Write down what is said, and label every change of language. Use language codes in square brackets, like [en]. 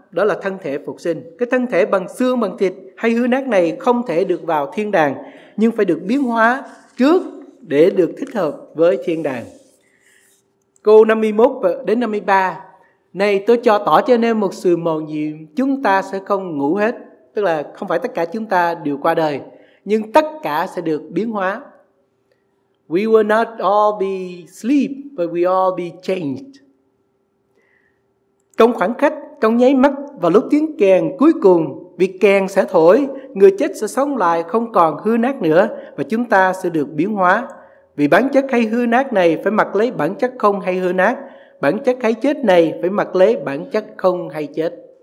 [vi] Đó là thân thể phục sinh. Cái thân thể bằng xương bằng thịt hay hư nát này không thể được vào thiên đàng, nhưng phải được biến hóa trước để được thích hợp với thiên đàng. Câu 51 đến 53: này tôi cho tỏ cho anh em một sự mầu nhiệm, chúng ta sẽ không ngủ hết, tức là không phải tất cả chúng ta đều qua đời, nhưng tất cả sẽ được biến hóa. [en] We will not all be sleep, but we all be changed. [vi] Trong khoảnh khắc, trong nháy mắt và lúc tiếng kèn cuối cùng, vì kèn sẽ thổi, người chết sẽ sống lại không còn hư nát nữa, và chúng ta sẽ được biến hóa. Vì bản chất hay hư nát này phải mặc lấy bản chất không hay hư nát, bản chất hay chết này phải mặc lấy bản chất không hay chết.